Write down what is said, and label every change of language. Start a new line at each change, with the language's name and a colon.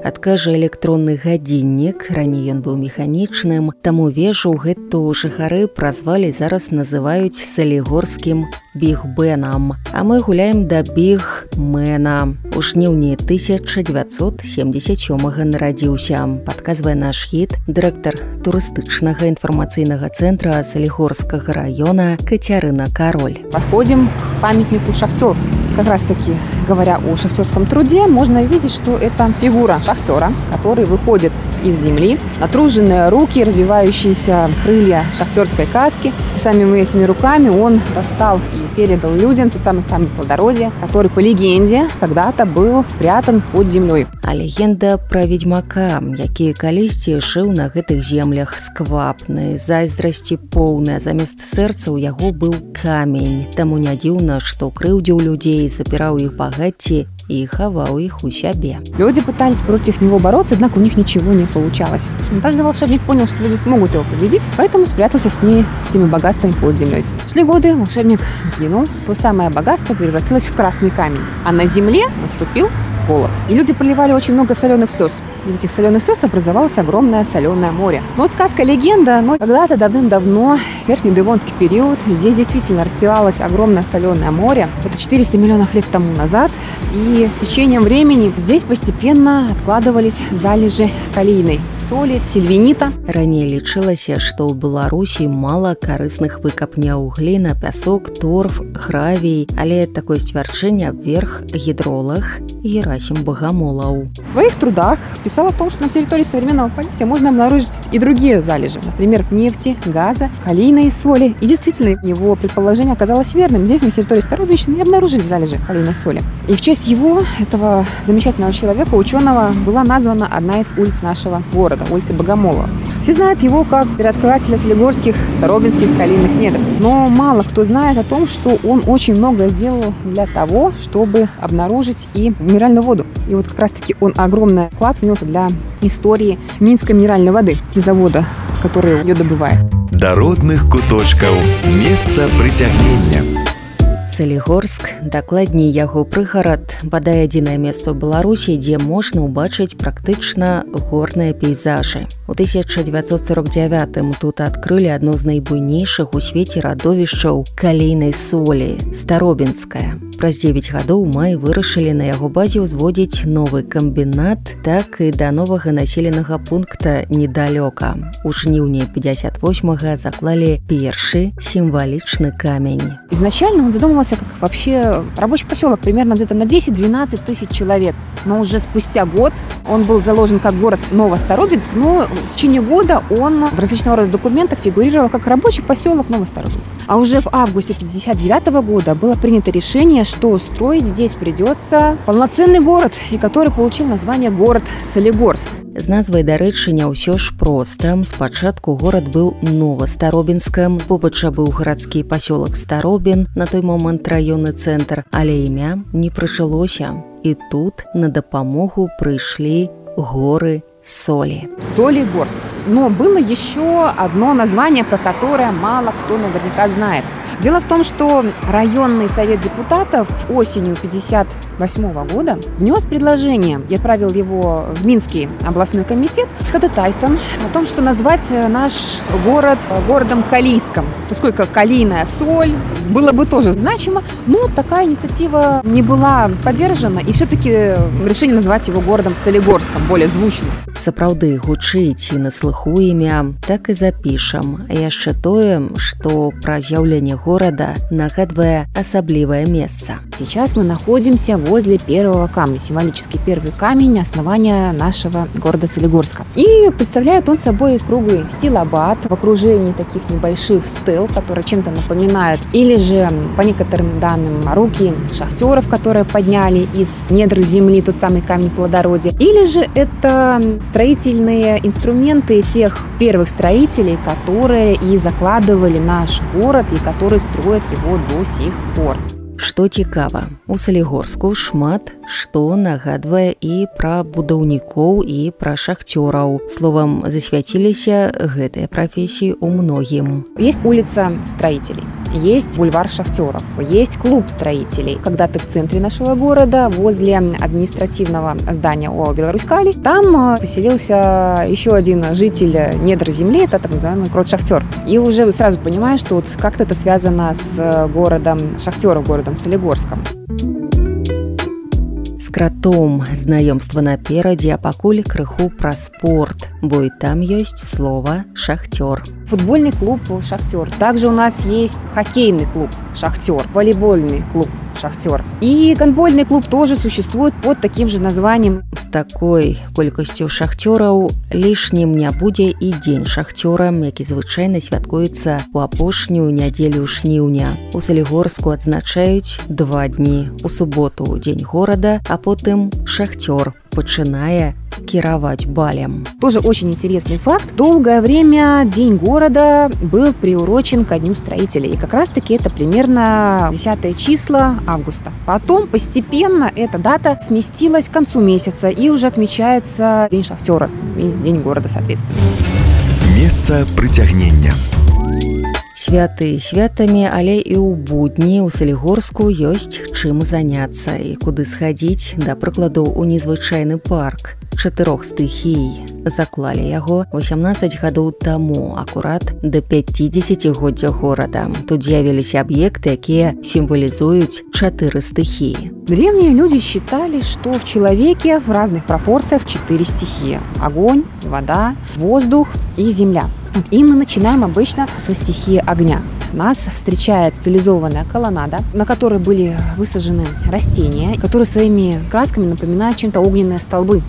Belarusian: Адкажа электронны гадзіннік, раней ён быў механічным, таму вежу гэту жыхары празвалі, зараз называюць салігорскім біг-бэнам. А мы гуляем да біг-мэна. У жніўні 1977-га нарадзіўся, падказвае наш гід, дырэктар турыстычнага інфармацыйнага цэнтра Салігорскага района Кацярына Кароль.
Russian: Подходим к памятнику шахтёр. Как раз таки, говоря о шахтёрском труде, можно видеть, что это фигура шахтёра, который выходит из земли. Натруженные руки, развивающиеся крылья шахтёрской каски. Сами этими руками он достал и передал людям тот самый камень плодородия, который, по легенде, когда-то был спрятан под землёй. А легенда про ведьмака,
Belarusian: який калісьці жил на гэтых землях сквапны, зайздрасці поўны, а замест сэрца у яго был камень. Таму не дзіўна, што крыўдзіў людзей, запіраў іх багацці і хаваў іх у сябе.
Russian: Людзі пытались против него бороться, аднак у них ничего не получалось. Но каждый волшебник понял, что люди смогут его победить, поэтому спрятался с теми богатствами под землей. Шли годы, волшебник сгинул, то самое богатство превратилось в красный камень, а на земле наступил голод. И люди проливали очень много соленых слез. Из этих соленых слез образовалось огромное соленое море. Но сказка, легенда, но когда-то давным-давно, верхний девонский период, здесь действительно расстилалось огромное соленое море. Это 400 миллионов лет тому назад. И с течением времени здесь постепенно откладывались залежи калийной
Belarusian: солі, сільвініта. Раней лічылася, што ў Беларусі мала карысных выкапняў гліна, пясок, торф, гравій, але такое сцвярджэнне абверг гідролаг Герасім Багамолаў. У сваіх трудах пісала то, што на тэрыторыі сучаснага Палісся можна абнаружыць і другія залежы, например, нефці, газа, калійнай солі.
Russian: І действительно, его предположение оказалось верным. Здесь
Belarusian: на тэрыторыі старажытнай
Russian: не обнаружили залежи калійнай солі. І в честь его, этого замечательного человека, ученого, была названа одна из улиц нашего города. Улицы Богомолова. Все знают его как переоткрывателя Салігорских, Старобинских калийных недр. Но мало кто знает о том, что он очень многое сделал для того, чтобы обнаружить и минеральную воду. И вот как раз-таки он огромный вклад внес для истории Минской минеральной воды и завода, который ее добывает. До родных куточков. Место притягивания.
Belarusian: Салігорск, дакладней яго прыгарад, бадай адзінае месца ў Беларусі, дзе можна ўбачыць практычна горныя пейзажы. У 1949-м тут адкрылі адно з найбуйнейшых у свеце радовішчаў калійнай солі – Старобінская. Праз 9 гадоў май вырашылі на яго базе ўзводзіць новы камбінат, так і да новага населенага пункта недалёка. У жніўні 58-га заклалі першы сімвалічны камень. Ізначальна он задумаўся
Russian: оказался как вообще рабочий поселок, примерно где-то на 10-12 тысяч человек. Но уже спустя год он был заложен как город Новостарубинск, но в течение года он в различного рода документах фигурировал как рабочий поселок Новостарубинск. А уже в августе 59 года было принято решение, что строить здесь придется полноценный город, и который получил название город Солигорск.
Belarusian: З назвай, дарэчы, не ўсё ж проста. Спачатку горад быў Новастаробінскам, побач быў гарадскі пасёлак Старобін, на той момант раённы цэнтр, але імя не прыжылося. І тут на дапамогу прыйшлі горы Солі. Солігорск.
Russian: Но было ещё одно название, про которое мало кто наверняка знает. Дело в том, что районный совет депутатов осенью 58 года внес предложение и отправил его в Минский областной комитет с ходатайством о том, что назвать наш город городом Калийском, поскольку калийная соль было бы тоже значимо, но такая инициатива не была поддержана, и все-таки решили назвать его городом Солигорском, более звучно.
Belarusian: Сапраўды, гучыць і на слыху імя, так і запішам. Яшчэ тое, што пра з'яўленне горада нагадвае асаблівае месца.
Russian: Сейчас мы находимся возле первого камня, символический первый камень основания нашего города Солигорска. И представляет он собой круглый стилобат в окружении таких небольших стел, которые чем-то напоминают, или же, по некоторым данным, руки шахтеров, которые подняли из недр земли тот самый камень плодородия, или же это строительные инструменты тех первых строителей, которые и закладывали наш город и которые строят его до сих пор.
Belarusian: Што цікава, у Салігорску шмат што нагадвае і пра будаўнікоў, і пра шахтёраў. Словам, засвяціліся гэтыя прафесіі ў многім.
Russian: Есть улица строителей. Есть бульвар шахтеров, есть клуб строителей. Когда-то в центре нашего города, возле административного здания ООО «Беларусь-Калий», там поселился еще один житель недр земли, это так называемый крот-шахтер. И уже сразу понимаешь, что вот как-то это связано с городом шахтеров, городом Солигорском.
Belarusian: З кратом знаёмства наперадзе, а пакуль крыху пра спорт, бо і там ёсць слова «шахтёр». Футбольны клуб «Шахтёр». Также у нас ёсць хакейны клуб «Шахтёр», волейбольны клуб «Шахтёр». І гандбольны клуб
Russian: тоже существует под таким же названием.
Belarusian: З такой колькасцю шахтёраў лішнім не будзе і дзень шахтёрам, які звычайна святкуецца ў апошнюю нядзелю жніўня. У Салігорску адзначаюць два дні. У суботу – дзень горада, а потым «Шахтёр» пачынае кіраваць балем.
Russian: Тоже очень интересный факт. Долгое время день города был приурочен ко дню строителей. И как раз таки это примерно 10 числа августа. Потом постепенно эта дата сместилась к концу месяца и уже отмечается день шахтера и день города, соответственно. Место притягнення.
Belarusian: Святы святамі, але і ў будні ў Салігорску ёсць чым заняцца і куды схадзіць, да прыкладу, ў незвычайны парк чатырох стыхій. Заклалі яго 18 гадоў таму, акурат да 50-годдзя горада. Тут з'явіліся аб'екты, якія сімвалізуюць чатыры стыхіі.
Russian: Древние люди считали, что в человеке в разных пропорциях четыре стихии – огонь, вода, воздух и земля. И мы начинаем обычно со стихии огня. Нас встречает стилизованная колоннада, на которой были высажены растения, которые своими красками напоминают чем-то огненные столбы.